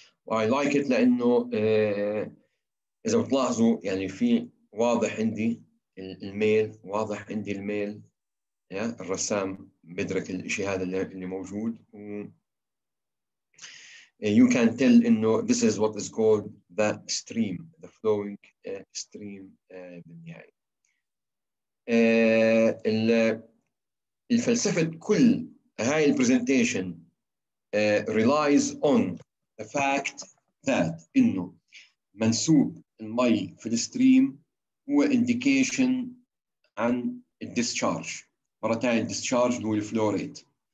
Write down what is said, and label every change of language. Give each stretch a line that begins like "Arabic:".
English: I like it
Arabic: لأنه إذا بتلاحظوا يعني في واضح عندي الميل، واضح عندي الميل. يا الرسام بدرك الشيء هذا اللي موجود، و
English: you can tell إنه this is what is called the stream, the flowing stream بالنهاية.
Arabic: الفلسفة كل هاي البرزنتيشن
English: relies on the fact that
Arabic: إنه منسوب المي في الستريم هو indication عن الديسشارج. مرة تانية الديسشارج هو الفلو ريت.